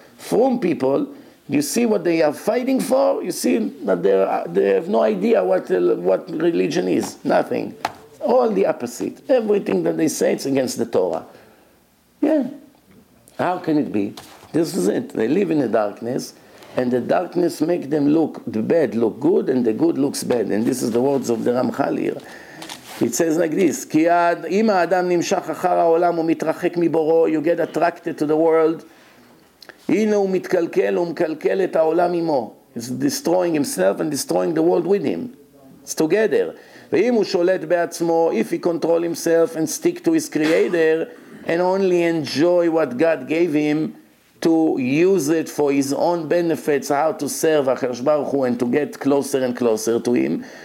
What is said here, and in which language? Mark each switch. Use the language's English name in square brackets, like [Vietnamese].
[English] Frum people, you see what they are fighting for, you see that they have no idea what religion is. Nothing. All the opposite. Everything that they say, it's against the Torah. Yeah. How can it be? This is it. They live in the darkness, and the darkness makes them look, the bad look good, and the good looks bad. And this is the words of the Ramchal here. It says like this, [Hebrew] כי אם האדם נמשך אחר העולם ומתרחק מבורו, [English] you get attracted to the world, [Hebrew] הנה הוא מתקלקל ומקלקל את העולם עמו. [English] It's destroying himself and destroying the world with him. It's together. [Hebrew] ואם הוא שולט בעצמו, [English] if he control himself and stick to his creator, and only enjoy what God gave him, to use it for his own benefits, how to serve HaKadosh Baruch Hu and to get closer and closer to him.